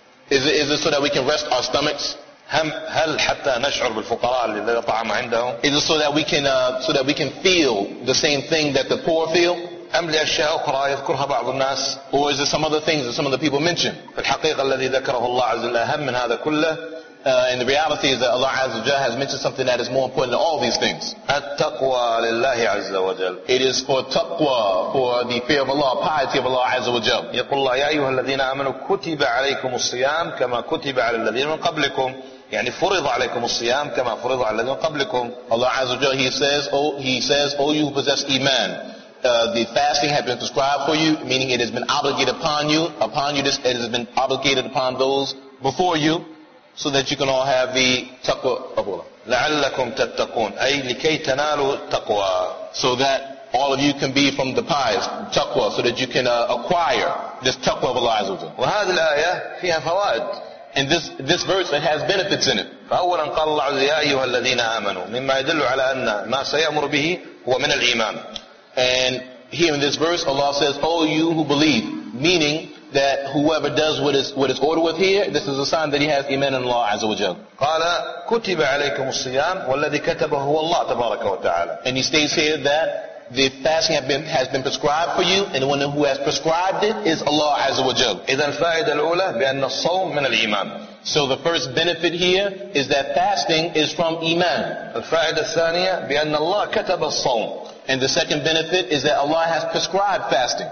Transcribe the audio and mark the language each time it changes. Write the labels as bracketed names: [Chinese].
[English] Is it so that we can rest our stomachs? [Arabic] هل حتى نشعر بالفقراء الذين طعم عندهم؟ [English] Is it so that we can feel the same thing that the poor feel؟ [Arabic] أم لأشياء أخرى يذكرها بعض الناس؟ [English] Or is it some other things that some of the people mention؟ [Arabic] الحقيقة الذي ذكره الله عز وجل أهم من هذا كله. [English] And the reality is that Allah عز وجل has mentioned something that is more important than all these things. [Arabic] التقوى لله عز وجل. [English] It is for taqwa, for the fear of Allah, piety of Allah عز وجل. [Arabic] يقول الله يا أيها الذين آمنوا كتب عليكم الصيام كما كتب على الذين من قبلكم. يعني فرض عليكم الصيام كما فرض على الذين قبلكم. [English] Allah عز وجل, he says, oh you who possess iman, the fasting has been prescribed for you, meaning it has been obligated upon you, this it has been obligated upon those before you, so that you can all have the taqwa of Allah. [Arabic] لعلكم تتقون أي لكي تنالوا التقوى. [English] So that all of you can be from the pious, taqwa, so that you can acquire this taqwa of Allah عز وجل. [Arabic] وهذه الآية فيها فوائد. [English] And this verse, it has benefits in it. [Arabic] فأولا قال الله عز يا أيها الذين آمنوا مما يدل على أن ما سيأمر به هو من الإيمان. [English] And here in this verse, Allah says, oh you who believe, meaning that whoever does what is ordered with here, this is a sign that he has iman in Allah عز وجل. [Arabic] قال كتب عليكم الصيام والذي كتبه هو الله تبارك وتعالى. [English] And he states here that the fasting has been prescribed for you, and the one who has prescribed it is Allah عز وجل. [Arabic] إذن الفائدة الأولى بأن الصوم من الإيمان. [English] So the first benefit here is that fasting is from iman. [Arabic] الفائدة الثانية بأن الله كتب الصوم. [English] And the second benefit is that Allah has prescribed fasting.